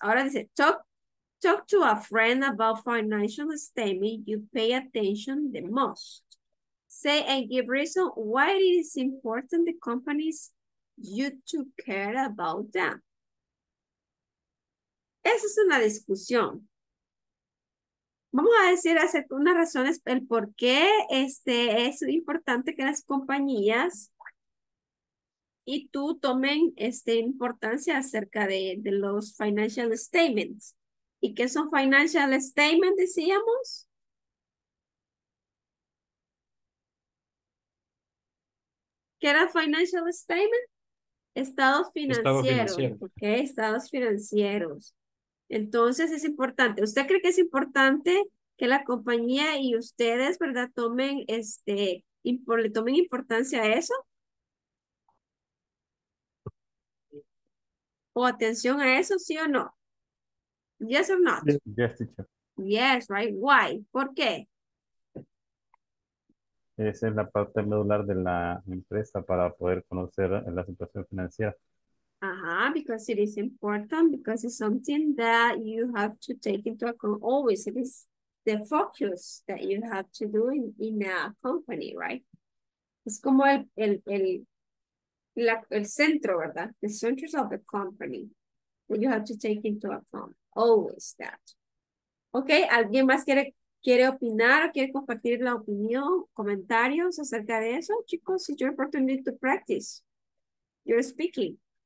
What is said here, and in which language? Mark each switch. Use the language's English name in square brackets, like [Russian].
[Spanish] Ahora dice, [English] talk to a friend about financial statement you pay attention the most. Say and give reason why it is important the companies you took care about them. [Spanish] Esa es una discusión. Vamos a decir, hacer unas razones, el por qué es importante que las compañías y tú tomen importancia acerca de los financial statements. ¿Y qué son financial statements, decíamos? ¿Qué era financial statement? Estados financieros. Entonces es importante. ¿Usted cree que es importante que la compañía y ustedes, verdad, tomen le tomen importancia a eso? o atención a eso, ¿sí o no? [English] Yes or not? Yes, teacher. Yes, right. Why? [Spanish] ¿Por qué? Esa es la parte medular de la empresa para poder conocer la situación financiera. [English] Ajá, because it is important, because it's something that you have to take into account always. It is the focus that you have to do in a company, right? [Spanish] Es como el centro, ¿verdad? [English] The centers of the company that you have to take into account. Always that. [Spanish] Okay, ¿alguien más quiere opinar o quiere compartir la opinión, comentarios acerca de eso, chicos? [English] It's your opportunity to practice. You're speaking.